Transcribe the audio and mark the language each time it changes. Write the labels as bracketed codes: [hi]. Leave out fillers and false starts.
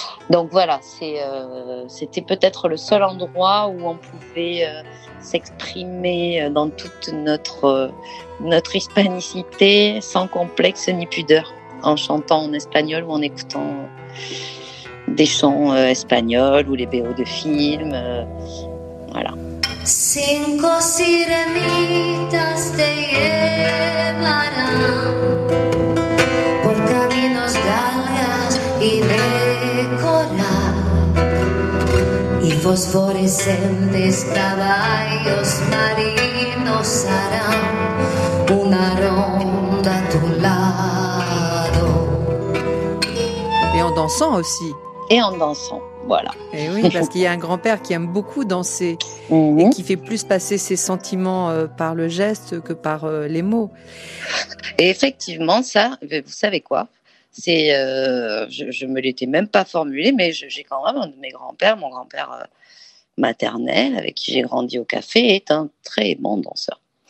[fr] Donc voilà, c'était peut-être le seul endroit où on pouvait s'exprimer dans toute notre hispanicité, sans complexe ni pudeur, en chantant en espagnol ou en écoutant des chants espagnols ou les BO de films. Voilà. [es] Cinco sirenitas te llevarán por caminos galgas y de fosforescentes caballos marinos harán una ronda a tu lado. [fr] Et en dansant aussi. Et en dansant, voilà. Et oui, parce qu'il y a un grand-père qui aime beaucoup danser mmh. et qui fait plus passer ses sentiments par le geste que par les mots. Et effectivement, ça, vous savez quoi ? C'est, je ne me l'étais même pas formulé, mais j'ai quand même un de mes grands-pères, mon grand-père maternel, avec qui j'ai grandi au café, est un très bon danseur.